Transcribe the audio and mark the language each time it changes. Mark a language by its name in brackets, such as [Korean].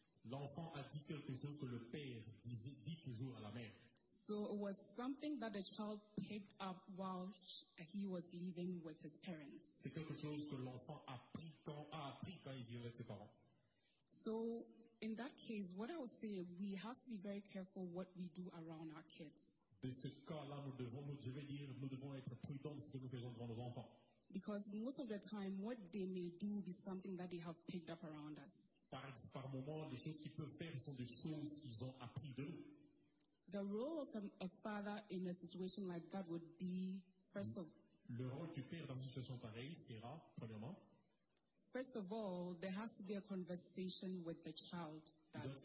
[French] L'enfant a dit quelque chose que le père dit toujours à la mère. [English] So it was something that the child picked up while he was living with his parents. [French] C'est quelque chose que l'enfant a appris quand il vivait avec ses parents. [English] So, in that case, what I would say, we have to be very careful what we do around our kids. [French] Dans ce cas-là, nous devons être prudents de ce que nous faisons devant nos enfants. [English] Because most of the time, what they may do is something that they have picked up around us. [French] Par moment, les choses qu'ils peuvent faire sont des choses qu'ils ont appris de nous. [English] The role of a father in a situation like that would be, first of [French] all, le rôle du père dans une situation pareille sera, premièrement, [English] first of all, there has to be a conversation with the child that